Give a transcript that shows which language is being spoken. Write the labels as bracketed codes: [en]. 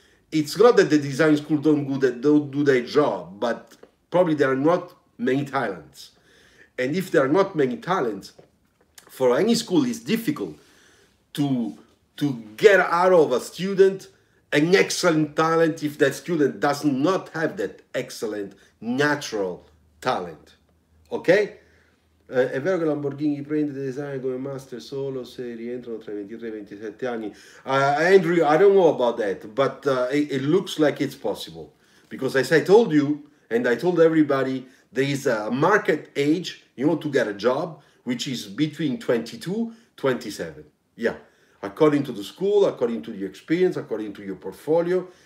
[en] It's not that the design school don't do their job, but probably they are not many talents. And if there are not many talents, for any school it's difficult to get out of a student an excellent talent if that student does not have that excellent natural talent. Okay? [it] È vero che Lamborghini prende design come master solo se rientrano tra I 23 e 27 anni. [en] Andrew, I don't know about that, but it looks like it's possible. Because as I told you, and I told everybody, there is a market age, you know, to get a job, which is between 22, 27. Yeah, according to the school, according to your experience, according to your portfolio.